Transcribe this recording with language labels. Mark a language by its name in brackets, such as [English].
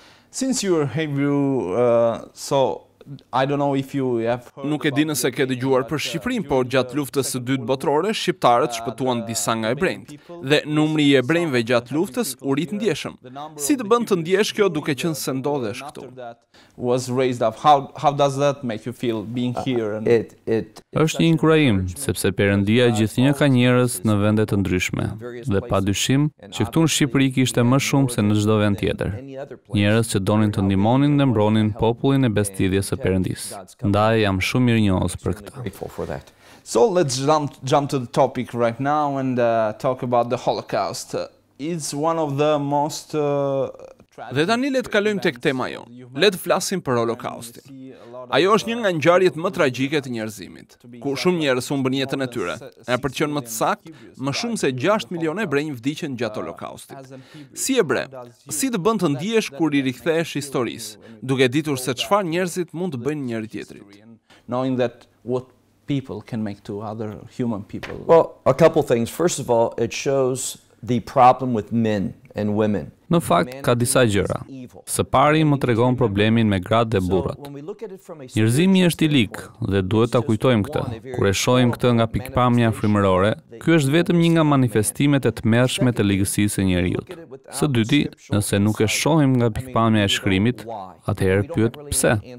[English] Since you have so I don't know if you have heard. [Albanian] Nuk e di nëse ke dëgjuar për Shqipërinë, por gjatë luftës së dytë botërore shqiptarët shpëtuan disa nga hebrejt dhe numri i hebrejve gjatë luftës u rit ndjeshëm. Si të bën të ndjesh kjo duke qenë se ndodhesh këtu? [English] Was raised up. How does that make you feel being here? [Albanian] Është një inkurajim, sepse Perëndia gjithnjë ka njerëz në vende të ndryshme dhe padyshim që këtu në Shqipëri kishte më shumë se në çdo vend tjetër. Njerëz që donin të ndihmonin dhe mbronin popullin e besëdhjes së Perëndis. Ndaj jam shumë mirënjohës për këtë. [English] So let's jump to the topic right now and talk about the Holocaust. It's one of the most [Albanian] Dhe tani le të kalojmë tek tema jonë. Le të flasim për Holokaustin. Ajo është një nga ngjarjet më tragjike të njerëzimit, ku shumë njerëz humbën jetën e tyre. E për të qenë më të saktë, më shumë se 6 milionë hebrejë vdiqën gjatë Holokaustit. Si hebre, si të bën të ndihesh kur i rikthehesh historisë, duke ditur se çfarë njerëzit mund të bëjnë njëri tjetrit? [English] Knowing that what people can make to other human people. Well, a couple things. First of all, it shows the problem with men and women. [Albanian] Në fakt, ka disa gjëra. Së pari më tregon problemin me gratë dhe burrat. Njerëzimi është i lik dhe duhet ta kujtojmë këtë. Kur e shohim këtë nga pikpamja frymërore, ky është vetëm një nga manifestimet e tmerrshme të ligësisë së njerëzit. Së dyti, nëse nuk e shohim nga pikpamja e shkrimit, atëherë pyet pse?